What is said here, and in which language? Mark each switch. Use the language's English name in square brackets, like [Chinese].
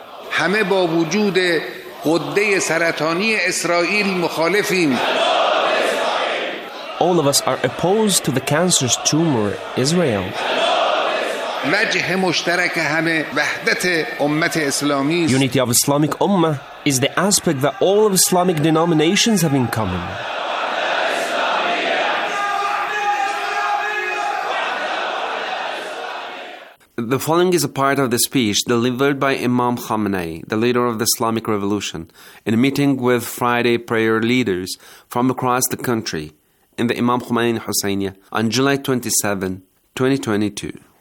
[Persian] همه با وجود قده سرطانی اسرائیل مخالفیم [English] All of us are opposed to the cancerous tumor Israel [Persian] وجه مشترک همه وحدت امت اسلامی [English] Unity of Islamic Ummah is the aspect that all of Islamic denominations have in common. The following is a part of the speech delivered by Imam Khamenei, the leader of the Islamic Revolution, in a meeting with Friday prayer leaders from across the country in the Imam Khomeini Hosseiniya on July 27, 2022.